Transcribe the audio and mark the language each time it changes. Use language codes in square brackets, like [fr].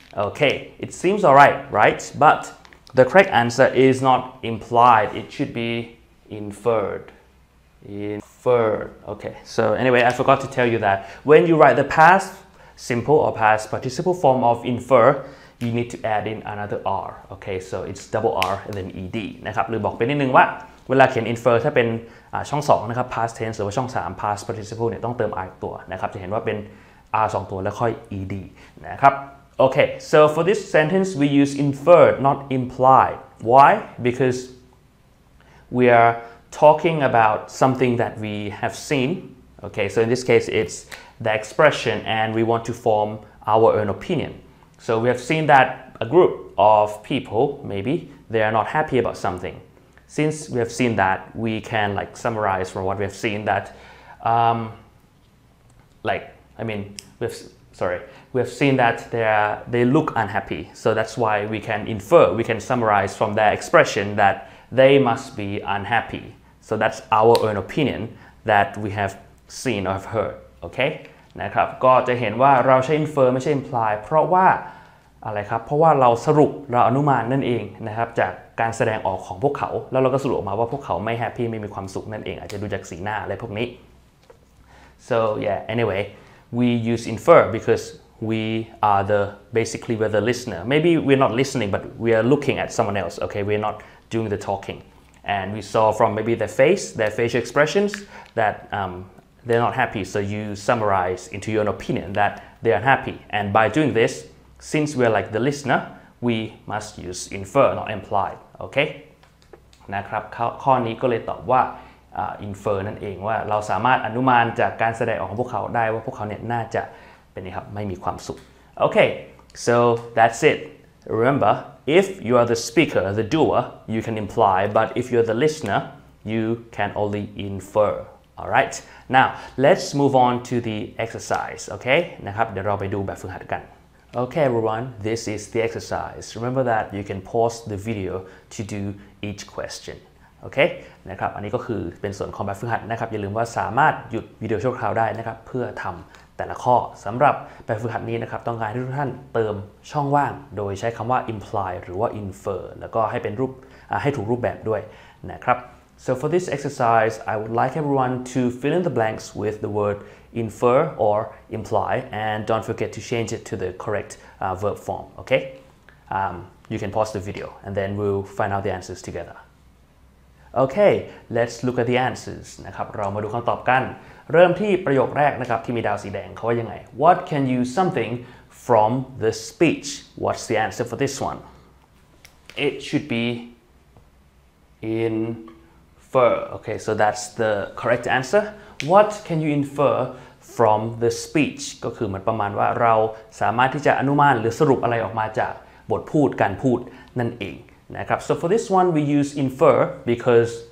[en] Okay, it seems all right, right? But the correct answer is not implied. It should be inferred. Inferred. Okay, so anyway, I forgot to tell you that when you write the past,Simple or past participle form of infer, you need to add in another R. Okay, so it's double R and then ED. [th] นะครับ หรือบอกไปนิดนึงว่าเวลาเขียน infer ถ้าเป็นช่อง2นะครับ past tense หรือว่าช่อง3 past participle เนี่ยต้องเติม R ตัวนะครับจะเห็นว่าเป็น R 2ตัวแล้วค่อย ED นะครับ [en] Okay, so for this sentence we use inferred not implied. Why? Because we are talking about something that we have seen. Okay, so in this case it'sthe expression and we want to form our own opinion. So we have seen that a group of people, maybe, they are not happy about something. Since we have seen that, we can like summarize from what we have seen that, we have seen that they look unhappy. So that's why we can infer, we can summarize from their expression that they must be unhappy. So that's our own opinion that we have seen or have heard, okay? [th] นะครับก็จะเห็นว่าเราใช้ infer ไม่ใช่ imply เพราะว่าอะไรครับเพราะว่าเราสรุปเราอนุมานนั่นเองนะครับจาก การแสดงออกของพวกเขาแล้วเราก็สรุปออกมาว่าพวกเขาไม่แฮปปี้ไม่มีความสุขนั่นเองอาจจะดูจากสีหน้าอะไรพวกนี้ [en] so yeah anyway we use infer because we are the basically we're the listener maybe we're not listening but we are looking at someone else okay we're not doing the talking and we saw from maybe their face their facial expressions thatThey're not happy, so you summarize into your own opinion that they are unhappy. And by doing this, since we're like the listener, we must use infer, not imply. Okay? [th] นะครับข้อนี้ก็เลยตอบว่า infer นั่นเองว่าเราสามารถอนุมานจากการแสดงออกของพวกเขาได้ว่าพวกเขาเนี่ยน่าจะเป็นไงครับไม่มีความสุข [en] Okay, so that's it. Remember, if you are the speaker, the doer, you can imply, but if you're the listener, you can only infer. All right, now let's move on to the exercise, okay? [th] นะครับ เดี๋ยวเราไปดูแบบฝึกหัดกัน [en] Okay, everyone, this is the exercise. Remember that you can pause the video to do each question, okay? [th] นะครับ อันนี้ก็คือเป็นส่วนของแบบฝึกหัดนะครับ อย่าลืมว่าสามารถหยุดวิดีโอชั่วคราวได้นะครับ เพื่อทำแต่ละข้อ สำหรับแบบฝึกหัดนี้นะครับ ต้องการให้ทุกท่านเติมช่องว่างโดยใช้คำว่า imply หรือว่า infer แล้วก็ให้เป็นรูปให้ถูกรูปแบบด้วยนะครับ [en] So for this exercise, I would like everyone to fill in the blanks with the word infer or imply and don't forget to change it to the correct verb form, okay? You can pause the video and then we'll find out the answers together. [th] โอเค [en] let's look at the answers [th] นะครับเรามาดูคำตอบกันเริ่มที่ประโยคแรกนะครับที่มีดาวสีแดงเขาว่ายังไง [en] what can you something from the speech what's the answer for this one it should be infer okay so that's the correct answer what can you inferfrom the speech [th] ก็คือเหมือนประมาณว่าเราสามารถที่จะอนุมานหรือสรุปอะไรออกมาจากบทพูดการพูดนั่นเองนะครับ [en] so for this one we use infer because